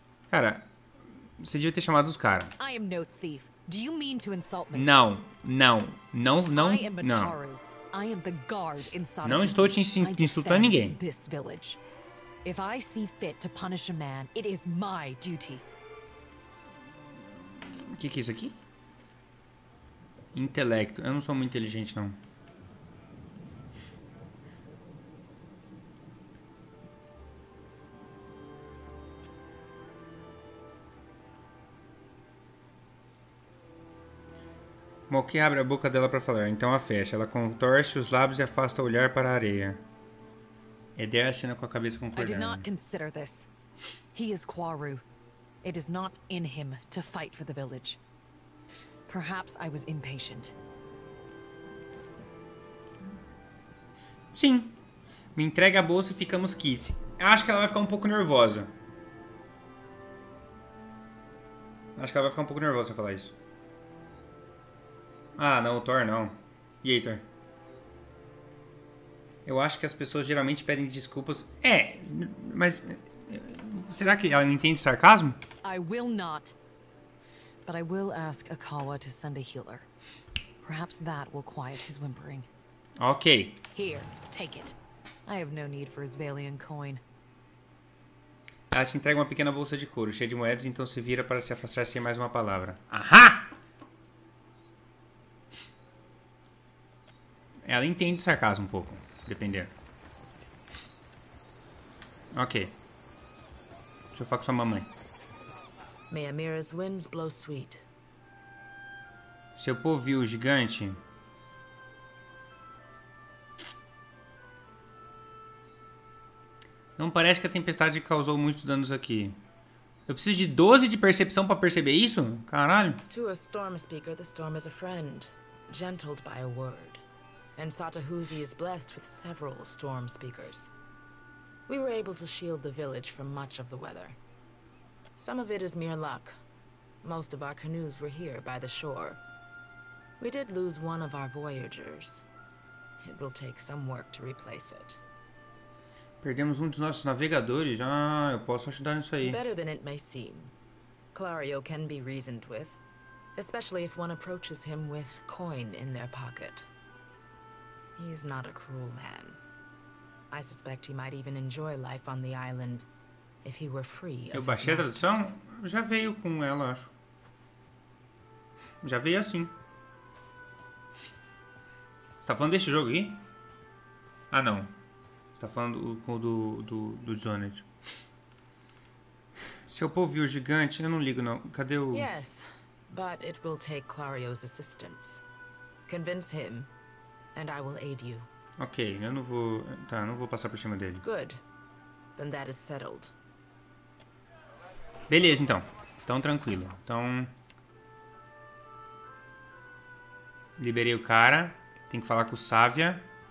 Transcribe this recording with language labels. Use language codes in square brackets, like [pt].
[pt] Cara, você devia ter chamado os caras. [en] I am no thief. Do you mean to insult me? [pt] Não, não, não, não. [en] I am a Taru. I am the guard inside. [pt] Não estou te insultando ninguém. [en] This village. If I see fit to punish a man, it is my duty. [pt] Que é isso aqui? Intelecto. Eu não sou muito inteligente não. Moki abre a boca dela para falar, então a fecha. Ela contorce os lábios e afasta o olhar para a areia. Edea acena com a cabeça concordando. [en] I did not consider this. He is Quaru. It is not in him to fight for the village. Perhaps I was impatient. [pt] Sim. Me entrega a bolsa e ficamos quites. Acho que ela vai ficar um pouco nervosa. Acho que ela vai ficar um pouco nervosa se eu falar isso. Ah, não, o Thor não. E aí, Thor? Eu acho que as pessoas geralmente pedem desculpas. É, mas... Será que ela não entende sarcasmo? [en] I will not. But I will ask Akawa to send a healer. Perhaps that will quiet his whimpering. Ok. Here, take it. I have no need for his Valian coin. [pt] Ela te entrega uma pequena bolsa de couro, cheia de moedas, então se vira para se afastar sem mais uma palavra. Ahá! Ela entende sarcasmo um pouco, depender. Ok. Deixa eu falar com sua mamãe. [en] May Amira's winds blow sweet. [pt] Seu povo viu o gigante? Não parece que a tempestade causou muitos danos aqui. Eu preciso de 12 de percepção para perceber isso? Caralho. [en] To a storm speaker, the storm is a friend, gentled by a word. And Satahuzi is blessed with several storm speakers. We were able to shield the village from much of the weather. Some of it is mere luck. Most of our canoes were here by the shore. We did lose one of our voyagers. It will take some work to replace it. [pt] Perdemos um dos nossos navegadores. Ah, eu posso ajudar nisso aí. [en] Better than it may seem. Clario can be reasoned with, especially if one approaches him with coin in their pocket. He is not a cruel man. I suspect he might even enjoy life on the island if he were free of his masters. Eu baixei a tradução? Já veio com ela, acho. Já veio assim. [pt] Você tá falando desse jogo aí? Ah, não. Tá falando do Zoned. Seu povo viu o gigante, eu não ligo não. Cadê o... [en] Yes, but it will take Clario's assistance. Convince him, and I will aid you. [pt] Ok, eu não vou... Tá, não vou passar por cima dele. [en] Good. Then that is settled. [pt] Beleza, então. Então, tranquilo. Então... Liberei o cara. Tem que falar com o Sávia.